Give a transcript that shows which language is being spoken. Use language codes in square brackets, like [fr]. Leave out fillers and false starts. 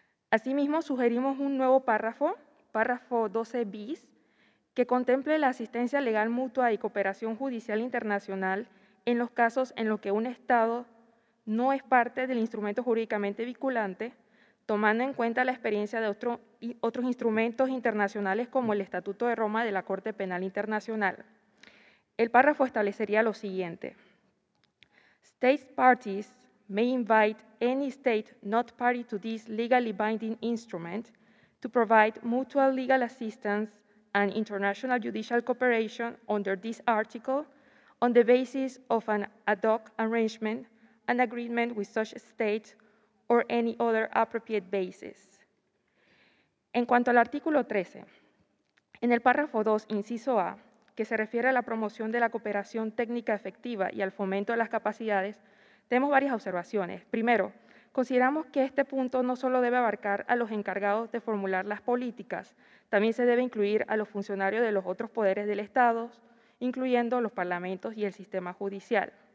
[es] Asimismo, sugerimos un nuevo párrafo, párrafo 12 bis, que contemple la asistencia legal mutua y cooperación judicial internacional en los casos en los que un Estado no es parte del instrumento jurídicamente vinculante, tomando en cuenta la experiencia de otros instrumentos internacionales como el Estatuto de Roma de la Corte Penal Internacional. El párrafo establecería lo siguiente. [en] States parties may invite any state not party to this legally binding instrument to provide mutual legal assistance and international judicial cooperation under this article on the basis of an ad hoc arrangement, an agreement with such state or any other appropriate basis. [es] En cuanto al artículo 13, en el párrafo 2, inciso A, que se refiere a la promoción de la cooperación técnica efectiva y al fomento de las capacidades, tenemos varias observaciones. Primero, consideramos que este punto no solo debe abarcar a los encargados de formular las políticas, también se debe incluir a los funcionarios de los otros poderes del Estado, incluyendo los parlamentos y el sistema judicial.